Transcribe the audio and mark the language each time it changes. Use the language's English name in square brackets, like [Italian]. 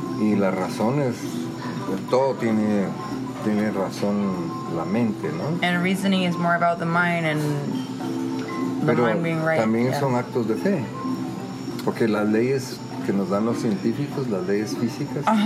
[Spanish] Y la razón es todo tiene razón la mente, ¿no? [English] And reasoning is more about the mind and [Spanish] pero [English] the mind being right. [Spanish] También son actos de fe. Porque las leyes que nos dan los científicos, las leyes físicas.